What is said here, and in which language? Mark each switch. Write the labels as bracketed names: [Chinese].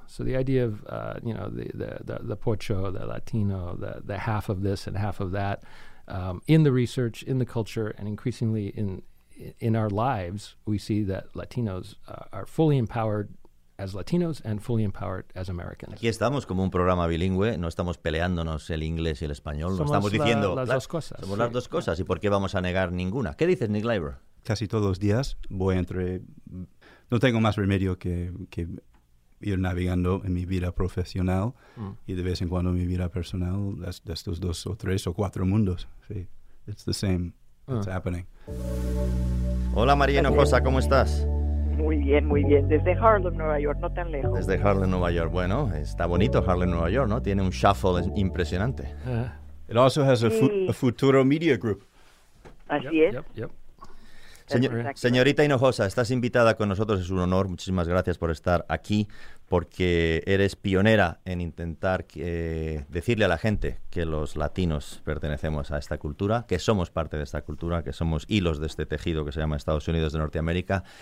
[English] So the idea of, you know, the pocho, the Latino, the half of this and half of that, in the research, in the culture, and increasingly in our lives, we see that Latinos are fully empowered as Latinos and fully empowered as Americans. [Spanish] Aquí estamos como un programa bilingüe, no estamos peleándonos el inglés y el español, somos no estamos diciendo las dos cosas. Somos las dos cosas, ¿y por qué vamos a negar ninguna? ¿Qué dices, Nick Leiber? Casi todos los días voy entre... No tengo más remedio que ir navegando en mi vida profesional y de vez en cuando en mi vida personal de estos dos o tres o cuatro mundos. [English] Sí, it's the same. It's happening. [Spanish] Hola, María Hinojosa, ¿cómo estás? Muy bien, muy bien. Desde Harlem, Nueva York, no tan lejos. Desde Harlem, Nueva York. Bueno, está bonito Harlem, Nueva York, ¿no? Tiene un shuffle impresionante. [English] It also has a Futuro Media Group. [Spanish] Así [English] yep, [Spanish] es. Señorita Hinojosa, estás invitada con nosotros. Es un honor. Muchísimas gracias por estar aquí, porque eres pionera en intentar decirle a la gente que los latinos pertenecemos a esta cultura, que somos parte de esta cultura, que somos hilos de este tejido que se llama Estados Unidos de Norteamérica.